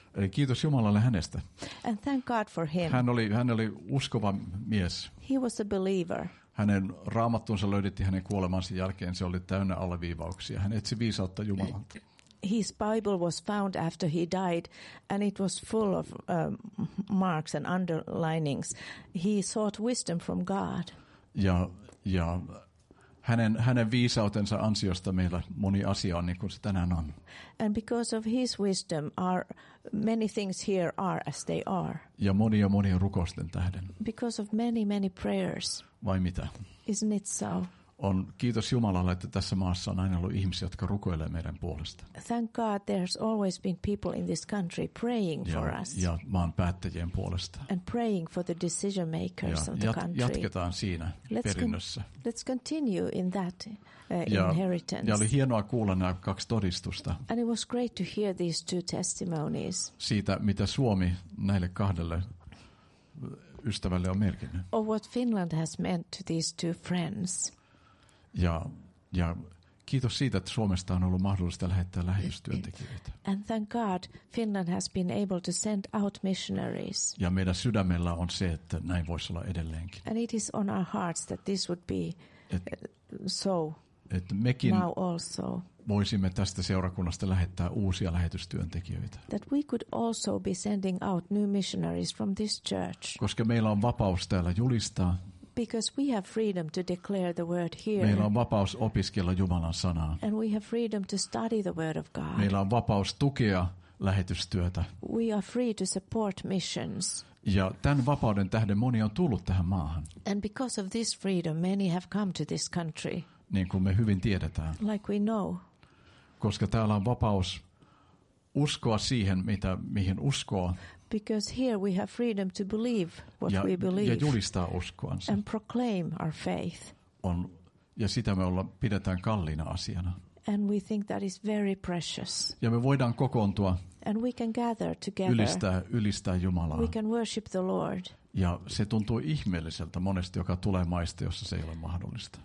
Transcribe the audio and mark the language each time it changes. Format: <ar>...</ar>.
<fi>Kiitos Jumalalle hänestä.</fi> <en>And thank God for him.</en> <fi>Hän oli uskova mies.</fi> <en>He was a believer.</en> <fi>Hänen raamattunsa löydettiin hänen kuolemansa jälkeen, se oli täynnä alleviivauksia. Hän etsi viisautta Jumalalta.</fi> <en>His Bible was found after he died and it was full of marks and underlinings. He sought wisdom from God.</en> <fi>Ja hänen viisautensa ansiosta meillä moni asia on niin kuin se tänään on.</fi> <en>And because of his wisdom our many things here are as they are.</en> <fi>Ja monia rukousten tähden.</fi> <en>Because of many prayers.</en> <fi>Vai mitä?</fi> <en>Isn't it so?</en> <fi>on kiitos Jumalalle, että tässä maassa on aina ollut ihmisiä, jotka rukoilee meidän puolesta.</fi> <en>Thank God there's always been people in this country praying for us.</en> <fi>Ja maan päättäjien puolesta.</fi> <en>And praying for the decision makers</en> <fi>ja</fi> <en>of the country.</en> <fi>Jatketaan siinä perinnössä.</fi> <en>Let's continue in that inheritance.</en> <fi>Ja oli hienoa kuulla nämä kaksi todistusta.</fi> <en>And it was great to hear these two testimonies.</en> <fi>Siitä, mitä Suomi näille kahdelle ystävälle on merkinnyt.</fi> <en>Of what Finland has meant to these two friends.</en> <fi>Ja kiitos siitä, että Suomesta on ollut mahdollista lähettää lähetystyöntekijöitä.</fi> <en>And thank God Finland has been able to send out missionaries.</en> <fi>Ja meidän sydämellä on se, että näin voisi olla edelleenkin.</fi> <en>And it is on our hearts that this would be so.</en> <fi>Et mekin</fi> <en>now also</en> <fi>voisimme tästä seurakunnasta lähettää uusia lähetystyöntekijöitä.</fi> <en>That we could also be sending out new missionaries from this church.</en> <fi>Koska meillä on vapaus täällä julistaa.</fi> <en>Because we have freedom to declare the word here.</en> <fi>Meillä on vapaus opiskella Jumalan sanaa.</fi> <en>And we have freedom to study the word of God.</en> <fi>Meillä on vapaus tukea lähetystyötä.</fi> <en>We are free to support missions.</en> <fi>Ja tämän vapauden tähden moni on tullut tähän maahan.</fi> <en>And because of this freedom, many have come to this country.</en> <fi>Niin kuin me hyvin tiedetään.</fi> <en>Like we know.</en> <fi>Koska täällä on vapaus uskoa siihen, mihin uskoo.</fi> <en>Because here we have freedom to believe what</en> <fi>ja,</fi> <en>we believe.</en> <fi>Ja julistaa uskoansa.</fi> <en>And proclaim our faith.</en> <fi>On, ja sitä me olla, pidetään kalliina asiana.</fi> <en>And we think that is very precious.</en> <fi>Ja me voidaan kokoontua.</fi> <en>And we can gather together.</en> <fi>Ylistää Jumalaa.</fi> <en>We can worship the Lord.</en> <fi>Ja se tuntuu ihmeelliseltä monesti, joka tulee maista, jossa se ei ole mahdollista.</fi>